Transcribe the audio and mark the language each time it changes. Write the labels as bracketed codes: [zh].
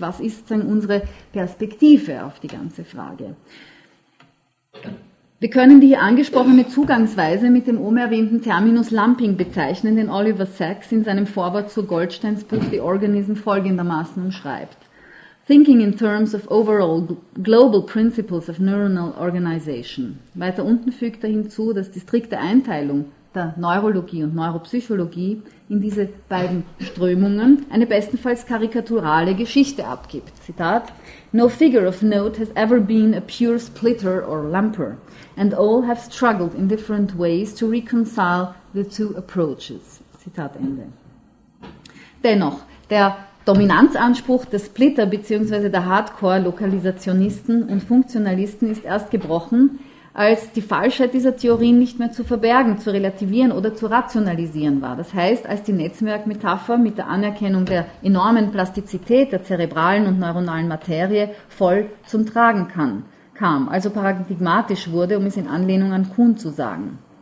[de] Was ist denn unsere Perspektive auf die ganze Frage? Wir können die hier angesprochene Zugangsweise mit dem oben erwähnten Terminus Lumping bezeichnen, den Oliver Sacks in seinem Vorwort zu Goldsteins Buch The Organism folgendermaßen umschreibt. [en] Thinking in terms of overall global principles of neuronal organization. [de] Weiter unten fügt er hinzu, dass die strikte Einteilung der Neurologie und Neuropsychologie in diese beiden Strömungen eine bestenfalls karikaturale Geschichte abgibt. [en] Zitat: No figure of note has ever been a pure splitter or lumper, and all have struggled in different ways to reconcile the two approaches. [de] Zitat Ende. Dennoch, der Dominanzanspruch des Splitter bzw. der Hardcore-Lokalisationisten und Funktionalisten ist erst gebrochen, als die Falschheit dieser Theorien nicht mehr zu verbergen, zu relativieren oder zu rationalisieren war. Das heißt, als die Netzwerkmetapher mit der Anerkennung der enormen Plastizität der zerebralen und neuronalen Materie voll zum Tragen kam, also paradigmatisch wurde, um es in Anlehnung an Kuhn zu sagen.